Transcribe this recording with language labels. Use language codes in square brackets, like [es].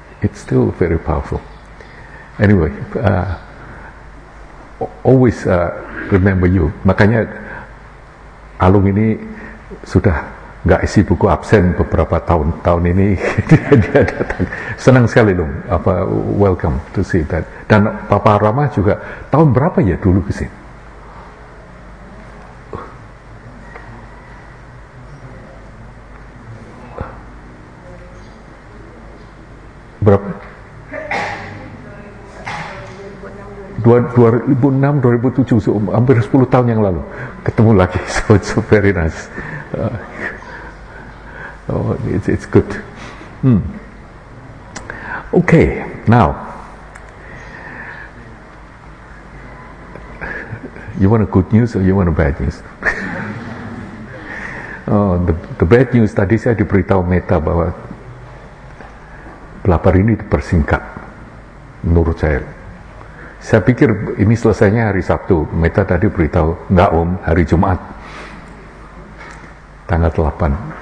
[en] It's still very powerful. Anyway, always remember you. [id] Makanya Alung ini sudah enggak isi buku absen beberapa tahun-tahun ini. Dia datang. Senang sekali Lung, [en] welcome to see that. [id] Dan Papa Rama juga tahun berapa ya dulu ke sini? Berapa? 2006-2007, so, hampir 10 tahun yang lalu ketemu lagi, [en] so it's so very nice. It's good. Okay, now you want a good news or you want a bad news? the bad news, [id] tadi saya diberitahu Meta bahwa pelapar ini dipersingkat menurut saya. Saya pikir ini selesainya hari Sabtu. Meta tadi beritahu, enggak Om, hari Jumat tanggal 8.